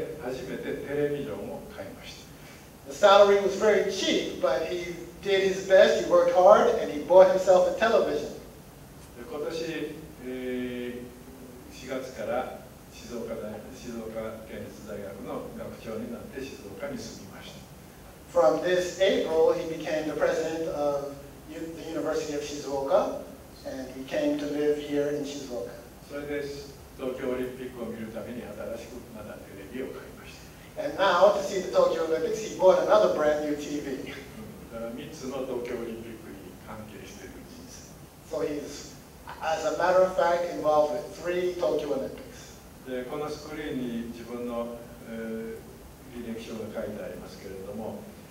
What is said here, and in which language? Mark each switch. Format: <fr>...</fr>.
<ja>大変給料は安かったけれども、一生懸命努力をして初めてテレビジョンを買いました。</ja> <en>The salary was very cheap, but he did his best, he worked hard, and he bought himself a television.</en> <ja>今年4月から静岡県立大学の学長になって静岡に住みました。</ja> <en>From this April, he became the president of the University of Shizuoka, and he came to live here in Shizuoka.</en> <ja>それで東京オリンピックを見るためにまたテレビを買いました。</ja> <en>And now, to see the Tokyo Olympics, he bought another brand new TV.</en> <ja>3つの東京オリンピックに関係している人生。So</ja> <en>he's, as a matter of fact, involved with three Tokyo Olympics.</en> <ja>で、このスクリーンに自分の履歴書が書いてありますけれども、</ja>